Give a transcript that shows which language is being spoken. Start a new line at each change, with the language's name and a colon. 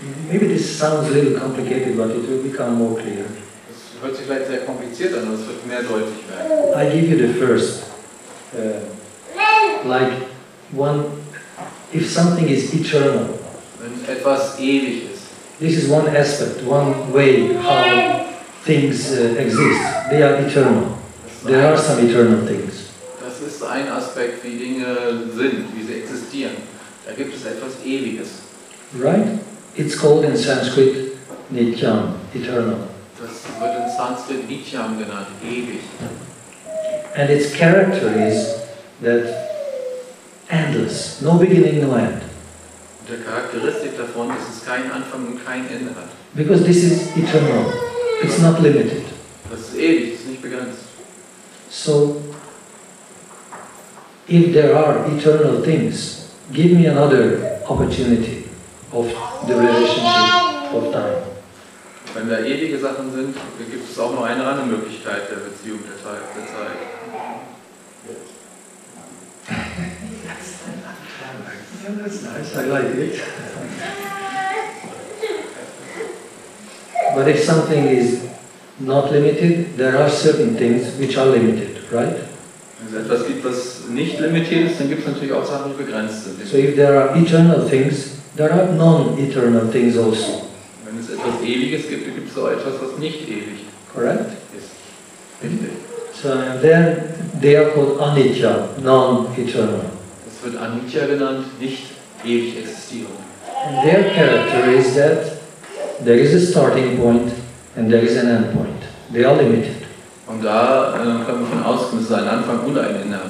English: Maybe this sounds a little complicated, but it will become more clear.
German: Das hört sich vielleicht sehr kompliziert an, aber es wird mehr deutlich werden.
English: I give you the first. Like one, if something is eternal.
German: Wenn etwas ewig ist.
English: This is one aspect, one way how things exist. They are eternal. There are some eternal things.
German: Das ist ein Aspekt, wie Dinge sind, wie sie existieren. Da gibt es etwas Ewiges.
English: Right? It's called in Sanskrit Nityam, eternal.
German: Das wird in Sanskrit Nityam genannt, ewig.
English: And its character is that endless, no beginning, no end.
German: Und der Charakteristik davon ist, dass es keinen Anfang und kein Ende hat.
English: Because this is eternal. It's not limited.
German: Das ist ewig, es ist nicht begrenzt.
English: So, if there are eternal things, give me another opportunity of the relationship of time.
German: Wenn da ewige Sachen sind, gibt es auch noch eine andere Möglichkeit der Beziehung der Zeit.
English: That's nice, I like it. But if something is not limited, there are certain things which are limited, right?
German: Wenn es etwas gibt, was nicht limitiert ist, dann gibt es natürlich auch Sachen, die begrenzt sind.
English: So if there are eternal things, there are non-eternal things also.
German: Wenn es etwas Ewiges gibt, dann gibt es auch etwas, was nicht ewig ist.
English: Correct? Yes. So then they are called anicca, non-eternal.
German: Es wird anicca genannt, nicht ewig existierend.
English: And their character is that there is a starting point and there is an end point. They are limited.
German: Und da kann man von ausgehen, dass es ein Anfang und ein Ende hat.